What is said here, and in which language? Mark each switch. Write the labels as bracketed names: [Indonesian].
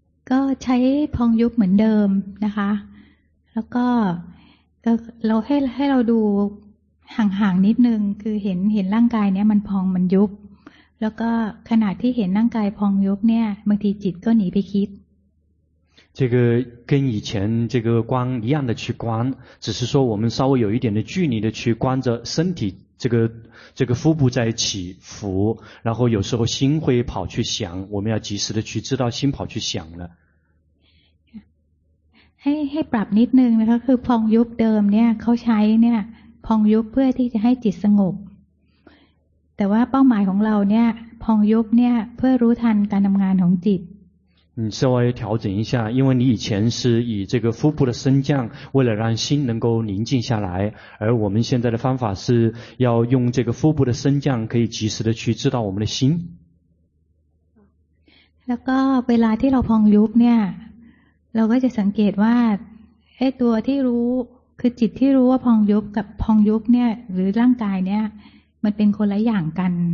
[Thai] ก็ใช้พองยุบเหมือนเดิมนะคะแล้วก็เราให้เราดูห่างๆนิดนึงคือเห็นร่างกายเนี้ยมันพองมันยุบแล้วก็ขณะที่เห็นร่างกายพองยุบเนี่ยบางทีจิตก็หนีไปคิด [Chinese] 这个跟以前这个观一样的去观，只是说我们稍微有一点的距离的去观着身体这个腹部在起伏，然后有时候心会跑去想，我们要及时的去知道心跑去想了。 [Thai] ให้ปรับนิดนึงนะคะคือพองยุบเดิมเนี่ยเขาใช้เนี่ยพองยุบเพื่อที่จะให้จิตสงบแต่ว่าเป้าหมายของเราเนี่ยพองยุบเนี่ยเพื่อรู้ทันการทำงานของจิต [Chinese] 你稍微调整一下，因为你以前是以这个腹部的升降，为了让心能够宁静下来，而我们现在的方法是要用这个腹部的升降，可以及时的去知道我们的心。 [Thai] แล้วก็เวลาที่เราพองยุบเนี่ยเราก็จะสังเกตว่าไอ้ตัวที่รู้คือจิตที่รู้ว่าพองยุบกับพองยุบเนี่ยหรือร่างกายเนี่ยมันเป็นคนละอย่างกัน